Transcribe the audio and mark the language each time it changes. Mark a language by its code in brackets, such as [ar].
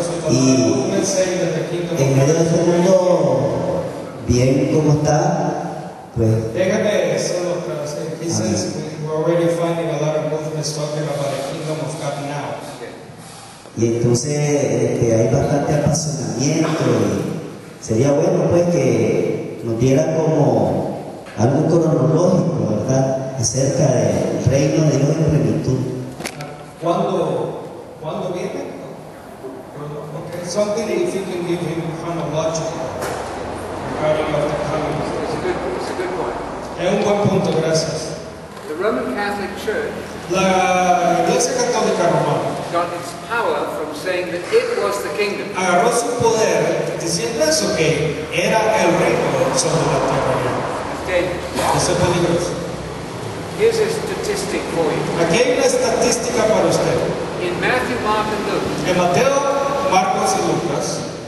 [es] Y en medio de este mundo, bien como está, pues. Déjame solo traducir. [en] He says we're already finding a lot of movements talking about the kingdom of God now. [es] Y entonces hay bastante apasionamiento, y sería bueno pues que nos diera como algo cronológico, ¿verdad?, acerca del reino de Dios en plenitud. ¿Cuándo viene? Okay. [en] Something if you can give him chronological regarding of the coming. It's a good [es] point. Es un buen punto, gracias. [en] The Roman Catholic Church, [es] la Iglesia Católica Romana, [en] got its power from saying that it was the kingdom. [es] Agarró su poder diciendo eso, que era el reino sobre la tierra. [en] Here's a statistic for you. [es] Aquí hay una estadística para usted. [en] In Matthew, Mark, and Luke. [es] En Mateo, Marcos y Lucas.